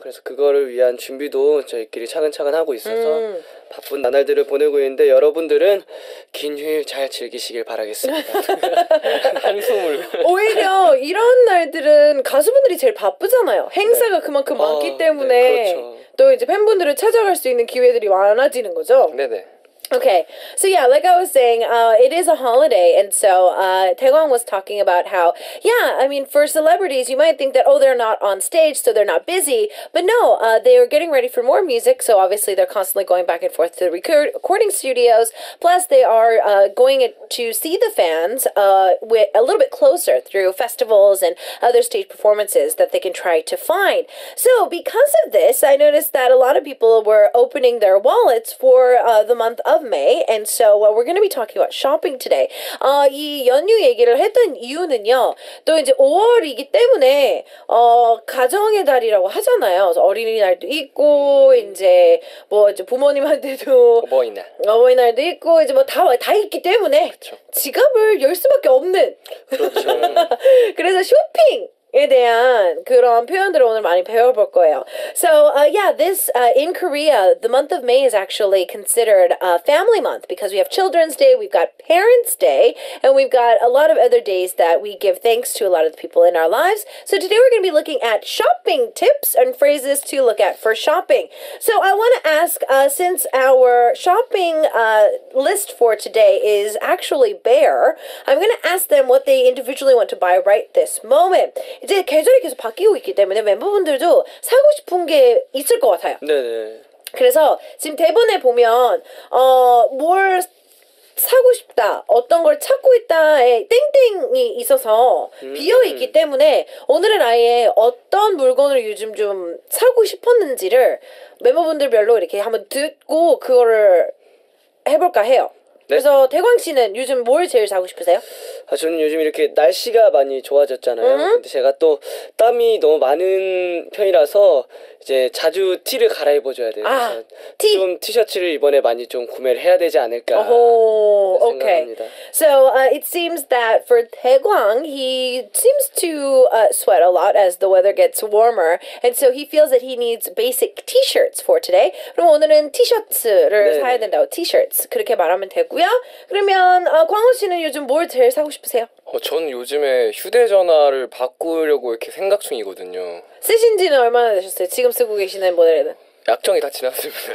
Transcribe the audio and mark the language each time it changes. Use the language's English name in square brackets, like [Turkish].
[Korean] 그래서 그거를 위한 준비도 저희끼리 차근차근 하고 있어서 바쁜 나날들을 보내고 있는데, 여러분들은 긴 휴일 잘 즐기시길 바라겠습니다. 한숨을. 오히려 이런 날들은 가수분들이 제일 바쁘잖아요. 네. 행사가 그만큼 많기 네, 때문에 그렇죠. 또 이제 팬분들을 찾아갈 수 있는 기회들이 많아지는 거죠. Nene. [English] Okay, so yeah, like I was saying, it is a holiday, and so Taewon was talking about how, yeah, I mean, for celebrities, you might think that, oh, they're not on stage, so they're not busy, but no, they are getting ready for more music, so obviously they're constantly going back and forth to the recording studios, plus they are going to see the fans with a little bit closer through festivals and other stage performances that they can try to find. So because of this, I noticed that a lot of people were opening their wallets for the month of May, and so we're going to be talking about shopping today. [Korean] 이 연휴 얘기를 했던 이유는요, 또 이제 5월이기 때문에 가정의 달이라고 하잖아요. 어린이날도 있고 이제 뭐 이제 부모님한테도 어버이날. 어버이날도 있고 이제 뭐다다 있기 때문에 그렇죠. 지갑을 열 수밖에 없는 그렇죠. 그래서 쇼핑. 에 대한 그런 표현들을 오늘 많이 배워볼 거예요. [English] So, yeah, this, in Korea, the month of May is actually considered a family month because we have Children's Day, we've got Parents' Day, and we've got a lot of other days that we give thanks to a lot of the people in our lives. So today we're going to be looking at shopping tips and phrases to look at for shopping. So I want to ask, since our shopping list for today is actually bare, I'm going to ask them what they individually want to buy right this moment. [Korean] 이제 계절이 계속 바뀌고 있기 때문에 멤버분들도 사고 싶은 게 있을 것 같아요. 네. 그래서 지금 대본에 보면 뭘 사고 싶다, 어떤 걸 찾고 있다에 땡땡이 있어서 비어 있기 때문에 오늘은 아예 어떤 물건을 요즘 좀 사고 싶었는지를 멤버분들별로 이렇게 한번 듣고 그거를 해볼까 해요. 그래서 대광 씨는 요즘 뭘 제일 사고 싶으세요? 저는 요즘 이렇게 날씨가 많이 좋아졌잖아요. 근데 제가 또 땀이 너무 많은 편이라서 이제 자주 티를 갈아입어줘야 돼요. 그래서 아, 티. 좀 티셔츠를 이번에 많이 좀 구매를 해야 되지 않을까 오, 오케이. 생각합니다. [English] So, it seems that for Taeguang, he seems to sweat a lot as the weather gets warmer, and so he feels that he needs basic t-shirts for today. [Korean] 그럼 오늘은 티셔츠를 사야 네. 된다고, t-shirts. 그렇게 말하면 되고요. 그러면 광호 씨는 요즘 뭘 제일 사고 싶으세요? 전 요즘에 휴대전화를 바꾸려고 이렇게 생각 중이거든요. 쓰신 지는 얼마나 되셨어요? 지금 쓰고 계시는 모델은? 약정이 다 지났습니다.